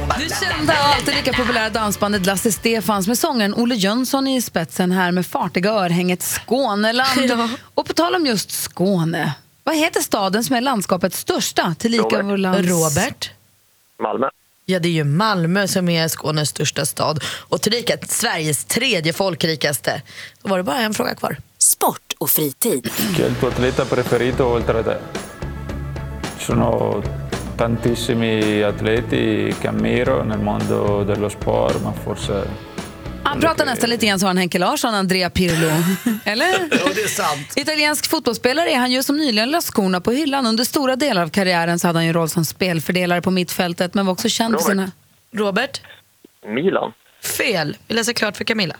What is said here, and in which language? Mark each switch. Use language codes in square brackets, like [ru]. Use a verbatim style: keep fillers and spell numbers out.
[sv] Du kände alltid lika populära dansbandet Lasse Stefans med sångaren Olle Jönsson i spetsen här med fartiga örhänget Skåneland. Ja. Och på tal om just Skåne. Vad heter staden som är landskapets största? Tillika vår lands... Robert. Malmö. Ja, det är ju Malmö som är Skånes största stad och tillika Sveriges tredje folkrikaste. Då var det bara en fråga kvar. Sport och fritid. [it] Quel tuo atleta preferito oltre te? Sono tantissimi atleti che ammiro nel mondo dello sport, ma forse... [sv] Han pratar nästan lite grann så han Henke Larsson, Andrea Pirlo. Eller? Ja, det är sant. Italiensk fotbollsspelare är han ju som nyligen la skorna på hyllan. Under stora delar av karriären så hade han ju roll som spelfördelare på mittfältet, men var också känd Robert. för sina... Robert? Milan. Fel. Vi läser klart för Camilla.